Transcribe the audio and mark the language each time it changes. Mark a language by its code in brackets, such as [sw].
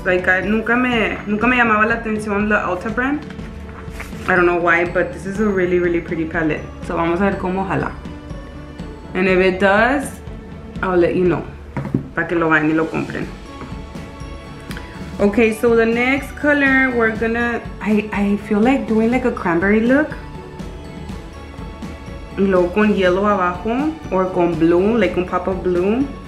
[en] Like I [es] nunca me llamaba la atención la Ulta brand. [en] I don't know why, but this is a really, really pretty palette. So [es] vamos a ver cómo jala. [en] And if it does, I'll let you know. [es] Para que lo vayan y lo compren. [en] Okay, so the next color we're gonna, I feel like doing like a cranberry look. [es] Y luego con [en] yellow abajo, or con blue, like un pop of blue.